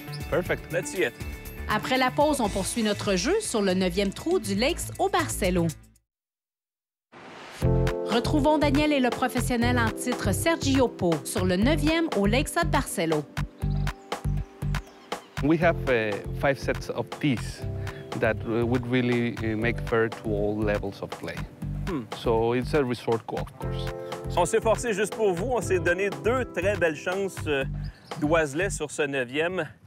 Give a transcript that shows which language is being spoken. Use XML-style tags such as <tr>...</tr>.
<en>Perfect. Let's see it.</en> <fr>Après la pause, on poursuit notre jeu sur le 9e trou du Lakes au Barcelo. Retrouvons Daniel et le professionnel en titre Sergio Po sur le 9e au Lakes at Barcelo.</fr> <en>We have 5 sets of tees that would really make fair to all levels of play. Hmm. So it's a resort golf course.</en> <fr>On s'est forcé juste pour vous. On s'est donné 2 très belles chances d'oiselet sur ce 9e.</fr>